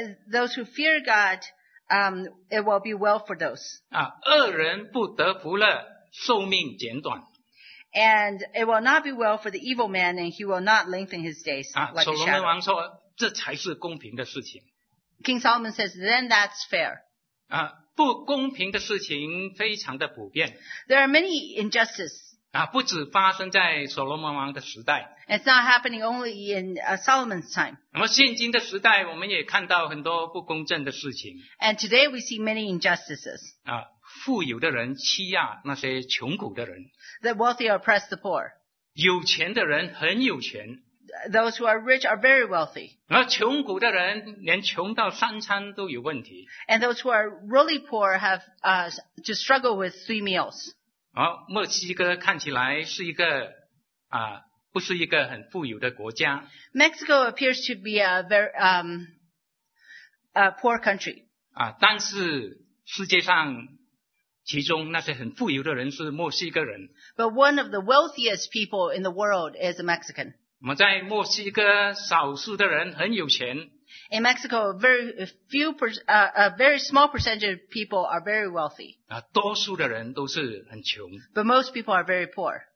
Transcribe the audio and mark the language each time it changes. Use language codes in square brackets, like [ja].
[en] Those who fear God, it will be well for those. [zh] 啊，恶人不得福乐，寿命减短。 [en] And it will not be well for the evil man, and he will not lengthen his days like a shadow. [zh] 啊，所罗门王说，这才是公平的事情。 [en] King Solomon says, then that's fair. [zh] 啊，不公平的事情非常的普遍。 [en] There are many injustices. [zh] 啊，不只发生在所罗门王的时代。 [en] It's not happening only in Solomon's time. [zh] 那么现今的时代，我们也看到很多不公正的事情。 [en] And today we see many injustices. [zh] 啊，富有的人欺压那些穷苦的人。 [en] The wealthy oppress the poor. [zh] 有钱的人很有钱。 [en] Those who are rich are very wealthy. [zh] 而穷苦的人连穷到三餐都有问题。 [en] And those who are really poor have to struggle with three meals. [zh] 好，墨西哥看起来是一个不是一个很富有的国家。 [en] Mexico appears to be a very poor country. [zh] 啊，但是世界上其中那些很富有的人是墨西哥人。 [en] But one of the wealthiest people in the world is a Mexican. [zh] 我们在墨西哥少数的人很有钱。 [en] In Mexico, a very small percentage of people are very wealthy. [zh] 啊，多数的人都是很穷。 [en] But most people are very poor.